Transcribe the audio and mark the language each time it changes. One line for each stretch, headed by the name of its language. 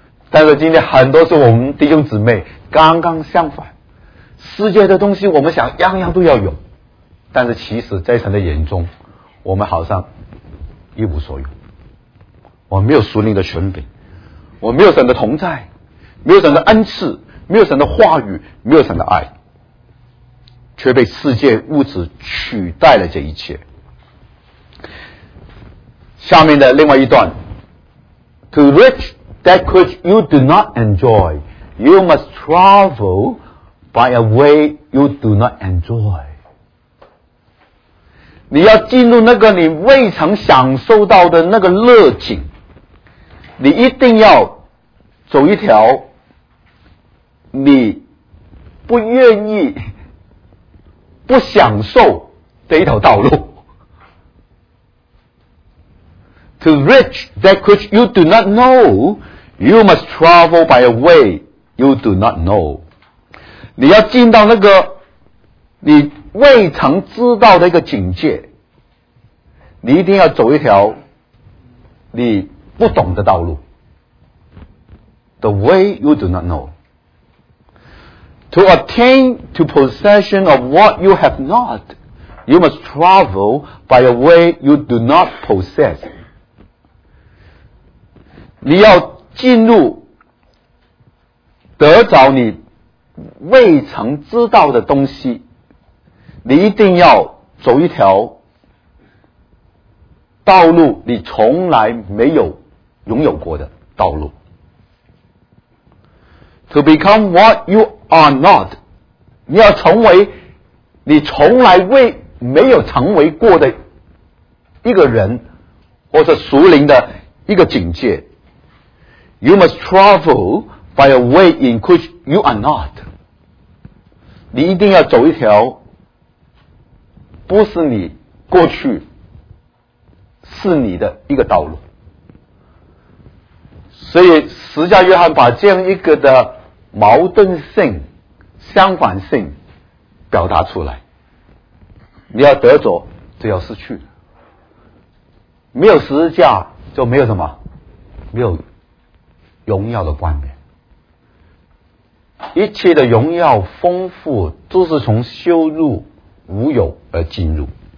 Chinese: 但是今天很多是我们弟兄姊妹刚刚相反，世界的东西我们想样样都要有，但是其实在神的眼中我们好像一无所有。我没有属灵的权柄，我没有神的同在，没有神的恩赐，没有神的话语，没有神的爱，却被世界物质取代了这一切。下面的另外一段
English: To reach that which you do not enjoy, you must travel by a way you do not enjoy.
Chinese: 你要进入那个你未曾享受到的那个乐景，你一定要走一条你不愿意不享受这一条道路。
English: To reach that which you do not know, you must travel by a way you do not know.
Chinese: 你要进到那个你未曾知道的一个境界，你一定要走一条你不懂的道路。
English: The way you do not know. To attain to possession of what you have not, you must travel by a way you do not possess.
Chinese: 你要进入得着你未曾知道的东西，你一定要走一条道路你从来没有拥有过的道路。
English: To become what you are not,
Chinese: 你要成为你从来未没有成为过的一个人，或是属灵的一个境界。
English: You must travel by a way in which you are not.
Chinese: 你一定要走一条不是你过去是你的一个道路。所以十架约翰把这样一个的矛盾性相反性表达出来，你要得着就要失去，没有十字架就没有什么，没有荣耀的冠冕，一切的荣耀丰富都是从羞辱无有而进入。